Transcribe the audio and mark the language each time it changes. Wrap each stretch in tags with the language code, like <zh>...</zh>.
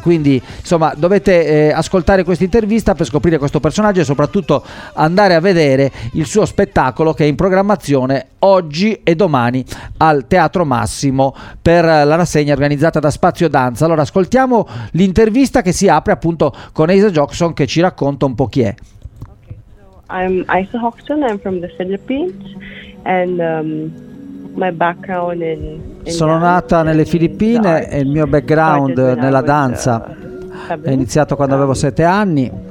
<it>Quindi, insomma, dovete ascoltare questa intervista per scoprire questo personaggio e soprattutto andare a vedere il suo spettacolo, che è in programmazione oggi e domani al Teatro Massimo per la rassegna organizzata da Spazio Danza. Allora, ascoltiamo l'intervista che si apre appunto con Asa Jackson, che ci racconta un po' chi è.</it> <en>Okay, so I'm Asa Jackson, I'm from the Philippines and my background in</en> <it>sono nata nelle Filippine e il mio background nella danza è iniziato quando avevo 7 anni.</it>